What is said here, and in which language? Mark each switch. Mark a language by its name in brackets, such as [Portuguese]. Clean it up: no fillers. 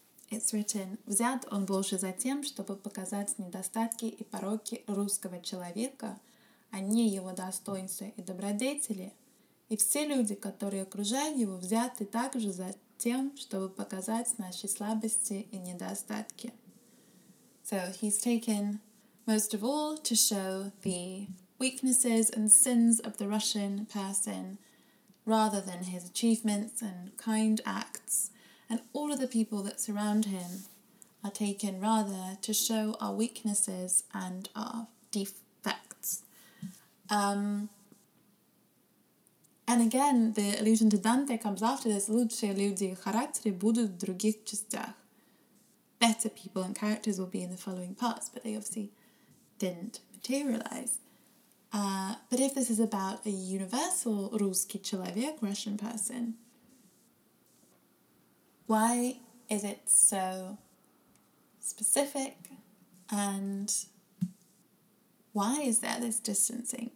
[English] It's written, [Russian] «Взят он больше за тем, чтобы показать недостатки и пороки русского человека, а не его достоинства и добродетели, и все люди, которые окружают его, взяты также за тем, чтобы показать наши слабости и недостатки». [English] So he's taken, most of all, to show the weaknesses and sins of the Russian person, rather than his achievements and kind acts. And all of the people that surround him are taken rather to show our weaknesses and our defects. And again, the allusion to Dante comes after this. [Russian] Лучшие люди характеры будут в других частях. [English] Better people and characters will be in the following parts, but they obviously didn't materialize. But if this is about a universal [Russian] русский человек, [English] Russian person, why is it so specific, and why is there this distancing?